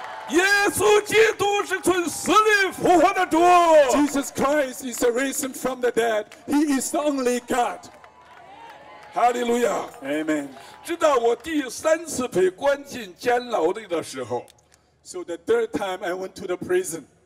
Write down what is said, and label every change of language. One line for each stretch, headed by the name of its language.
Chinese: 耶稣基督是从死里复活的主。
English: Jesus Christ is a risen from the dead. He is the only God. Hallelujah. Amen.
Chinese: 直到我第三次被关进监牢里的时候，
English: So the third time I went to the prison,